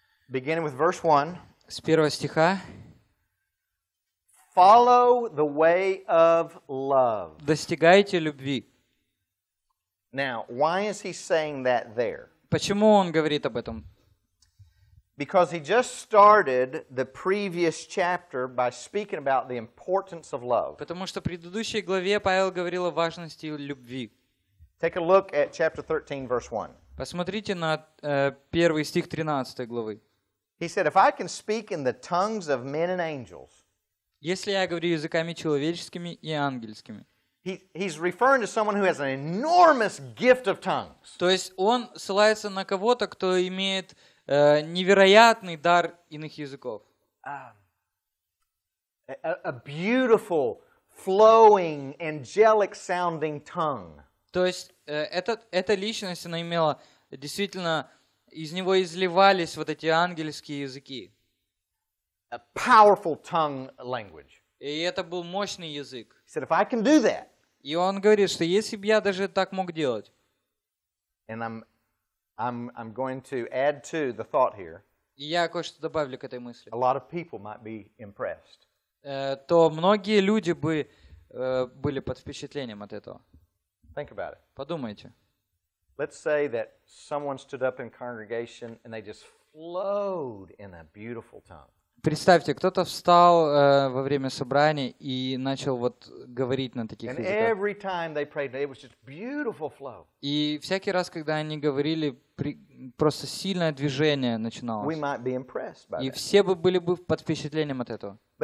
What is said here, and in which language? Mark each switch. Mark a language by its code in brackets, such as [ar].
[en] Beginning with verse 1. [ru] С первого стиха. [en] Follow the way of love. [ru] Достигайте любви. [en] Now, why is he saying that there? [ru] Почему он говорит об этом? [en] Because he just started the previous chapter by speaking about the importance of love. [ru] Потому что в предыдущей главе Павел говорил о важности любви. [en] Take a look at chapter 13, verse 1. [ru] Посмотрите на первый стих 13 главы. [en] He said, "If I can speak in the tongues of men and angels." [ru] Если я говорю языками человеческими и ангельскими. [en] He's referring to someone who has an enormous gift of tongues. [ru] То есть он ссылается на кого-то, кто имеет невероятный дар иных языков. [en] A beautiful, flowing, angelic sounding tongue. [ru] То есть эта личность, она имела действительно, из него изливались вот эти ангельские языки. [en] A powerful tongue language. [ru] И это был мощный язык. [en] He said, if I can do that. [ru] И он говорит, что если бы я даже так мог делать. [en] And I'm going to add to the thought here. [ru] Я кое-что добавлю к этой мысли. [en] A lot of people might be impressed. [ru] То многие люди бы были под впечатлением от этого. [en] Think about it. [ru] Подумайте. [en] Let's say that someone stood up in congregation and they just flowed in a beautiful tongue. [ru] Представьте, кто-то встал во время собрания и начал вот говорить на таких языках. И всякий раз, когда они говорили, просто сильное движение начиналось. И все бы были бы под впечатлением от этого.